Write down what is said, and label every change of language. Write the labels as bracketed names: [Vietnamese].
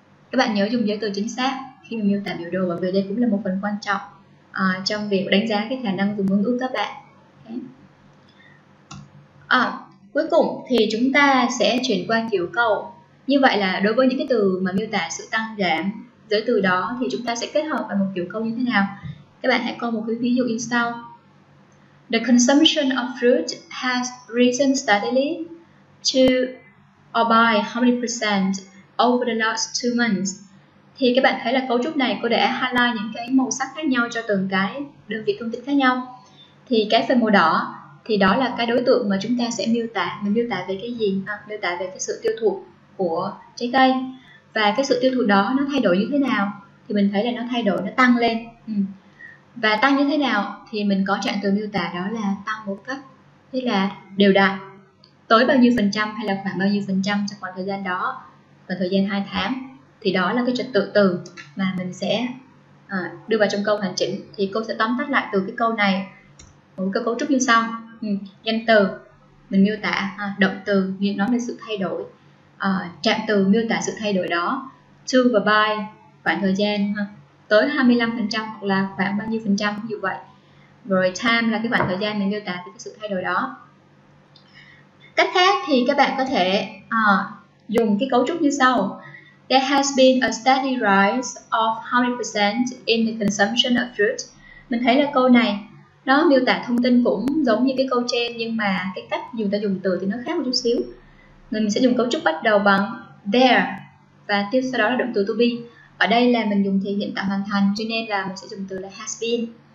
[Vietnamese] Các bạn nhớ dùng giới từ chính xác khi mình miêu tả biểu đồ, bởi vì đây cũng là một phần quan trọng trong việc đánh giá cái khả năng dùng ngôn ngữ các bạn, okay. Cuối cùng thì chúng ta sẽ chuyển qua kiểu câu. Như vậy là đối với những cái từ mà miêu tả sự tăng giảm giới từ đó thì chúng ta sẽ kết hợp vào một kiểu câu như thế nào? Các bạn hãy coi một cái ví dụ như sau. [English] The consumption of fruit has risen steadily to or by 100% over the last 2 months. [Vietnamese] Thì các bạn thấy là cấu trúc này cô đã highlight những cái màu sắc khác nhau cho từng cái đơn vị công tích khác nhau. Thì cái phần màu đỏ thì đó là cái đối tượng mà chúng ta sẽ miêu tả. Mình miêu tả về cái gì? Miêu tả về cái sự tiêu thụ của trái cây. Và cái sự tiêu thụ đó nó thay đổi như thế nào? Thì mình thấy là nó thay đổi, nó tăng lên. Và tăng như thế nào? Thì mình có trạng từ miêu tả đó là tăng một cách, tức là đều đặn, tới bao nhiêu phần trăm hay là khoảng bao nhiêu phần trăm trong khoảng thời gian đó, khoảng thời gian 2 tháng. Thì đó là cái trật tự từ mà mình sẽ đưa vào trong câu hoàn chỉnh. Thì cô sẽ tóm tắt lại từ cái câu này, một cái cấu trúc như sau. Danh từ, mình miêu tả, động từ, nghiệm nói về sự thay đổi. Trạng từ miêu tả sự thay đổi đó. To và by, khoảng thời gian tới 25% hoặc là khoảng bao nhiêu phần trăm, ví dụ vậy. Rồi time là cái khoảng thời gian mình miêu tả về cái sự thay đổi đó. Cách khác thì các bạn có thể dùng cái cấu trúc như sau. [English] There has been a steady rise of 100% in the consumption of fruit. [Vietnamese] Mình thấy là câu này nó miêu tả thông tin cũng giống như cái câu trên, nhưng mà cái cách dùng ta dùng từ thì nó khác một chút xíu. Mình sẽ dùng cấu trúc bắt đầu bằng there và tiếp sau đó là động từ to be. Ở đây là mình dùng thể hiện tạm hoàn thành, cho nên là mình sẽ dùng từ là has been.